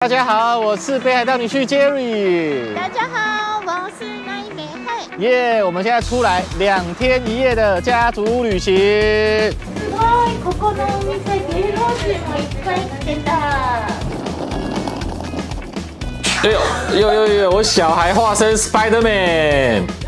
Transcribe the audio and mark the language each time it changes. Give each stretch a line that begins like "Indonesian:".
Chinese: 大家好，我是北海道女婿 Jerry。大家好，我是奈美惠。耶、yeah, 我们现在出来两天一夜的家族旅行。
Japanese: すごい、ここのお店芸能人もいっぱい来てた。
Chinese: 哎呦，有！我小孩化身 Spider-Man，